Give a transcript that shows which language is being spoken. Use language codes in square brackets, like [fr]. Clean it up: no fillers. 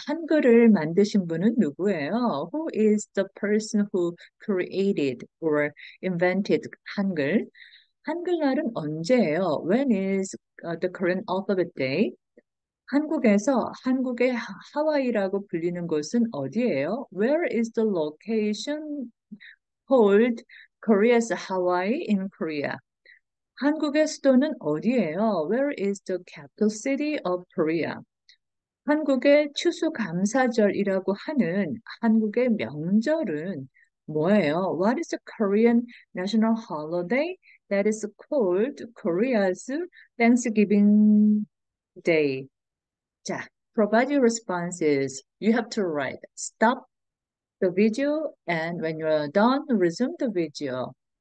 [ko] 한글을 만드신 분은 누구예요? [en] Who is the person who created or invented 한글? [ko] 한글날은 언제예요? [en] When is the Korean alphabet day? [ko] 한국에서 한국의 하와이라고 불리는 곳은 어디예요? [en] Where is the location called Korea's Hawaii in Korea? [ko] 한국의 수도는 어디예요? [en] Where is the capital city of Korea? [ko] 한국의 추수감사절이라고 하는 한국의 명절은 뭐예요? [en] What is the Korean national holiday that is called Korea's Thanksgiving Day? 자, provide your responses. You have to write. Stop the video and when you are done, resume the video.